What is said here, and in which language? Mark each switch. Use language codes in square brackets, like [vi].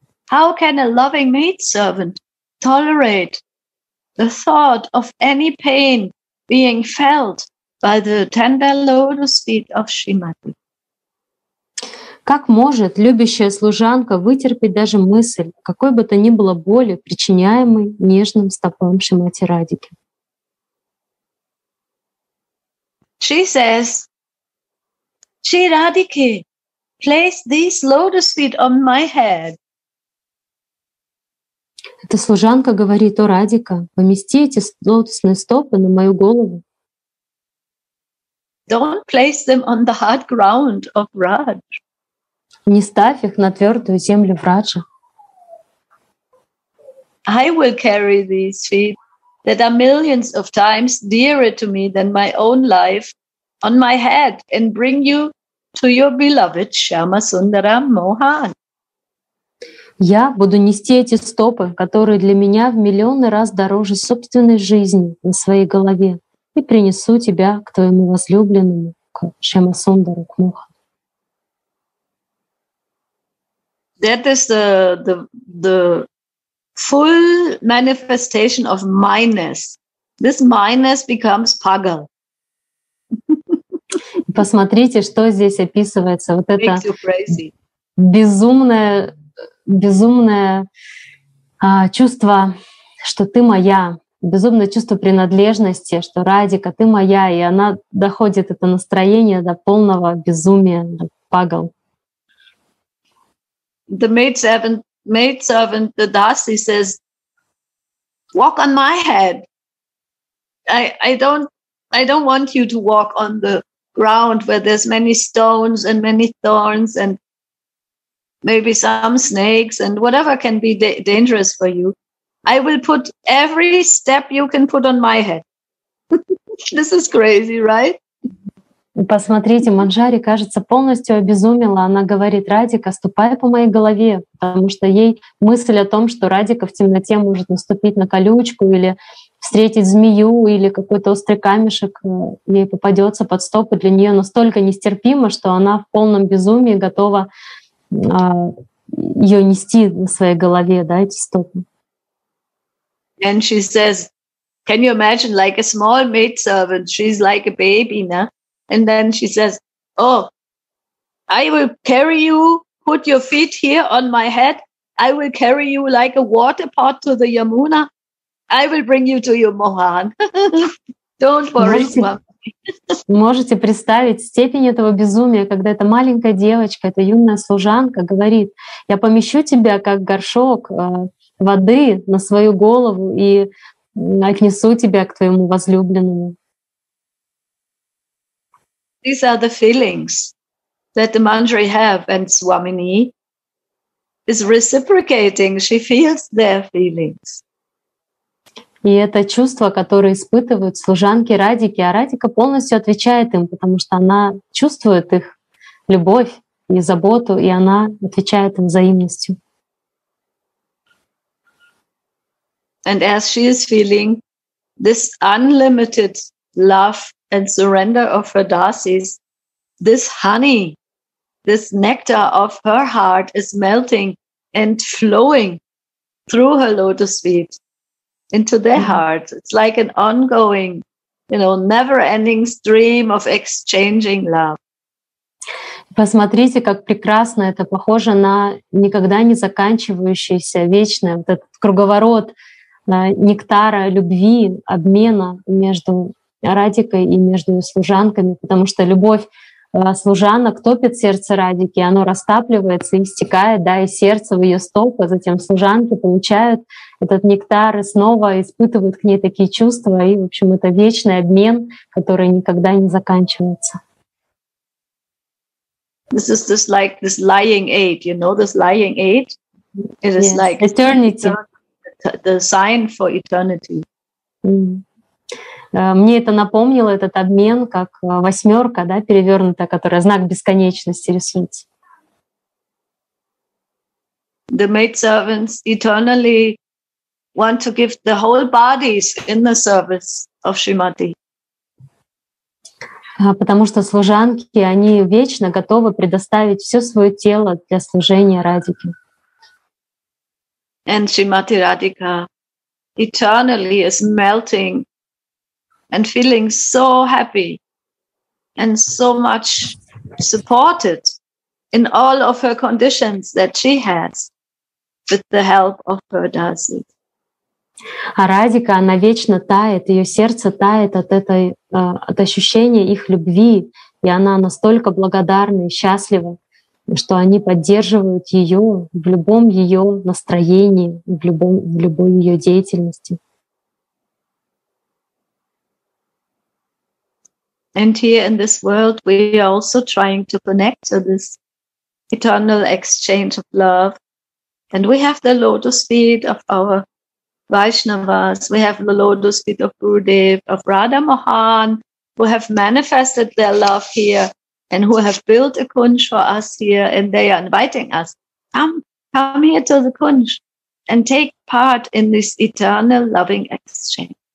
[en] How can a loving maidservant tolerate the thought of any pain being felt by the tender lotus feet of Shrimati? [ru] Как может любящая служанка вытерпеть даже мысль, какой бы то ни было боли, причиняемой нежным стопам Шримати Радики? [en] She says, Shri Radhike, place these lotus feet on my head. [ru] Эта служанка говорит: «О, Радика, помести эти лотосные стопы на мою голову». [en] Don't place them on the hard ground of Raj. [ru] Не ставь их на твердую землю в Раджа. [en] I will carry these feet that are millions of times dearer to me than my own life on my head and bring you to your beloved Shyamasundara Mohan. [ru] Я буду нести эти стопы, которые для меня в миллионы раз дороже собственной жизни на своей голове, и принесу тебя к твоему возлюбленному, к Шьямасундару, к Муха. [en] That is the full manifestation of myness. This myness becomes pagal. [ru] Посмотрите, что здесь описывается. Вот это безумное чувство, что ты моя, безумное чувство принадлежности, что Радика, ты моя, и она доходит, это настроение, до полного безумия, до пагал. [en] The maid servant, the Dasi says, walk on my head. I don't want you to walk on the ground where there's many stones and many thorns and maybe some snakes and whatever can be dangerous for you. I will put every step you can put on my head. This is crazy, right? [ru] Посмотрите, Манджари, кажется, полностью обезумела. Она говорит: Радика, ступай по моей голове, потому что ей мысль о том, что Радика в темноте может наступить на колючку или встретить змею или какой-то острый камешек, ей попадется под стопы, для нее настолько нестерпимо, что она в полном безумии готова ее нести на своей голове, да, эти стопы. [en] And she says, can you imagine, like a small maidservant, she's like a baby, no? And then she says, oh, I will carry you, put your feet here on my head, I will carry you like a water pot to the Yamuna, I will bring you to your Mohan. Don't worry, Swami. [ru] Можете представить степень этого безумия, когда эта маленькая девочка, эта юная служанка говорит: я помещу тебя как горшок воды на свою голову и отнесу тебя к твоему возлюбленному. [en] These are the feelings that the Manjari have, and Swamini is reciprocating. She feels their feelings. [ru] И это чувство, которое испытывают служанки Радики, а Радика полностью отвечает им, потому что она чувствует их любовь и заботу, и она отвечает им взаимностью. [en] And as she is feeling this unlimited love and surrender of her dasis, this honey, this nectar of her heart is melting and flowing through her lotus feet into their heart. It's like an ongoing, you know, never-ending stream of exchanging love. [ru] Посмотрите, как прекрасно это похоже на никогда не заканчивающийся вечный вот этот круговорот нектара, любви, обмена между Радикой и между служанками, потому что любовь служанок топит сердце Радики, оно растапливается и стекает, да, из сердца в ее стопы, затем служанки получают этот нектар и снова испытывают к ней такие чувства, и, в общем, это вечный обмен, который никогда не заканчивается. [en] This is just like this lying aid, you know, this lying aid? It is like eternity. The sign for eternity. [ru] Мне это напомнило этот обмен, как восьмерка, да, перевернутая, которая знак бесконечности рисуется. [en] The maidservants eternally want to give the whole bodies in the service of Shrimati. [ru] Потому что служанки, они вечно готовы предоставить все свое тело для служения Радике. [en] And Shrimati Radhika eternally is melting and feeling so happy and so much supported in all of her conditions that she has with the help of her dasi. [ru] А Радика, она вечно тает, ее сердце тает от этой, от ощущения их любви, и она настолько благодарна и счастлива, что они поддерживают ее в любом ее настроении, в любой ее деятельности. [en] And here in this world we are also trying to connect to this eternal exchange of love. And we have the lotus feet of our Vaishnavas, we have the lotus feet of Gurudev, of Radha Mohan, who have manifested their love here and who have built a kunj for us here, and they are inviting us, come here to the kunj and take part in this eternal loving exchange.